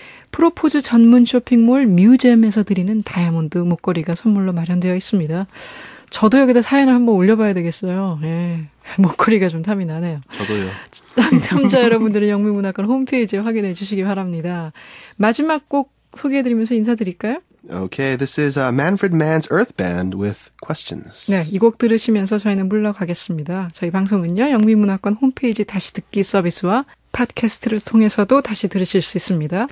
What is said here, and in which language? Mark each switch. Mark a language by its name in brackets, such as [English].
[Korean] 프로포즈 전문 쇼핑몰 뮤잼에서 드리는 다이아몬드 목걸이가 선물로 마련되어 있습니다. 저도 여기다 사연을 한번 올려봐야 되겠어요. 예, 목걸이가 좀 탐이 나네요. 저도요. 당첨자 여러분들은 영미문학관 홈페이지에 확인해 주시기 바랍니다. 마지막 곡 소개해드리면서 인사드릴까요? [English] Okay, this is Manfred Mann's Earth Band with Questions. [Korean] 네, 이 곡 들으시면서 저희는 물러가겠습니다. 저희 방송은요, 영미문학관 홈페이지 다시 듣기 서비스와 팟캐스트를 통해서도 다시 들으실 수 있습니다.